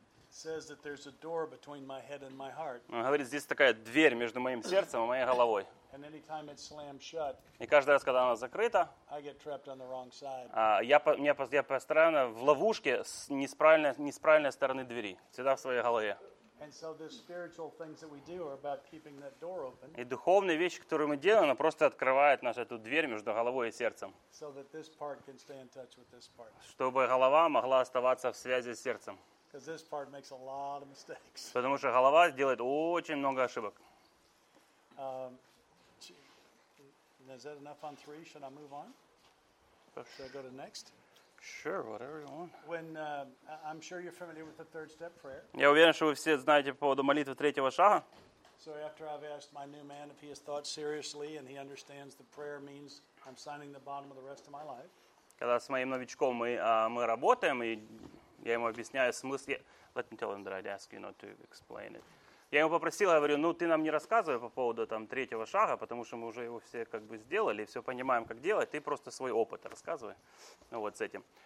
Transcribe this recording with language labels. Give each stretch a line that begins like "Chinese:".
English: Says that there's a door between my head and my heart.
Russian: Он говорит, здесь такая дверь между моим сердцем и моей головой.
English: And anytime it's slammed shut.
Russian: И каждый раз, когда она закрыта.
English: I get trapped on the wrong side.
Russian: Я постоянно в ловушке с неправильной стороны двери, всегда в своей голове.
English: And so the spiritual things that we do are about keeping that door open.
Russian: И духовные вещи, которые мы делаем, она просто открывает нас эту дверь между головой и сердцем.
English: So that this part can stay in touch with this part.
Russian: Чтобы голова могла оставаться в связи с сердцем.
English: Because this part makes a lot of mistakes.
Russian: Потому что голова делает очень много ошибок.
English: Is that enough on three? Should I move on? Should I go to next? Sure, whatever you want. When I'm sure you're familiar with the third step prayer.
Russian: Я уверен, что вы все знаете по поводу молитвы третьего шага.
English: So after I've asked my new man if he has thought seriously and he understands the prayer means I'm signing the bottom of the rest of my life.
Russian: Когда с моим новичком мы работаем, и я ему объясняю смысл.
English: Let me tell him that I'd ask you not to explain it.
Russian: Я ему попросил, говорю, ну ты нам не рассказывай по поводу там третьего шага, потому что мы уже его все как бы сделали, все понимаем, как делать, ты просто свой опыт рассказывай, ну вот с этим.